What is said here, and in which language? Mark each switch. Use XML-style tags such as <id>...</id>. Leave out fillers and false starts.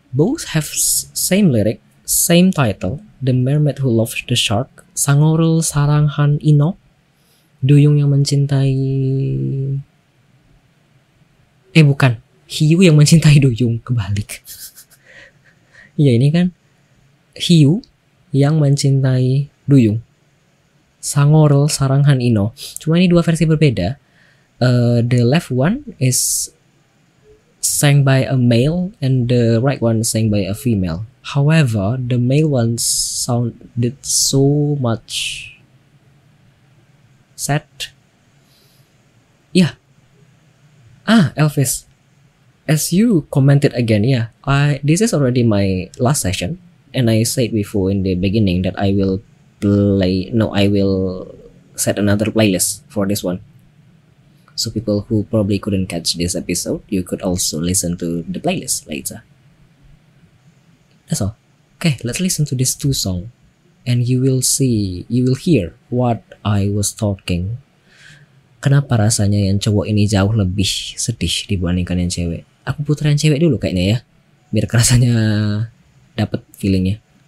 <en>Both have same lyric, same title, The Mermaid Who Loves the Shark, Sangorul Saranghan Ino,</en> <id>Duyung yang mencintai bukan, Hiu yang mencintai Duyung, kebalik. Ya ini kan Hiu yang mencintai Duyung. Sangorul Saranghan Ino. Cuma ini dua versi berbeda.</id> <en>The left one is sang by a male and the right one sang by a female. However, the male one sounded so much sad. Yeah. Ah, Elvis. As you commented again, yeah, this is already my last session, and I said before in the beginning that I will play. No, I will set another playlist for this one. So people who probably couldn't catch this episode, you could also listen to the playlist later. That's all. Okay, let's listen to these two songs, and you will see, you will hear what I was talking.</en> <id>Kenapa rasanya yang cowok ini jauh lebih sedih dibandingkan yang cewek? Aku putar yang cewek dulu kayaknya ya, biar kerasanya dapet feelingnya.</id>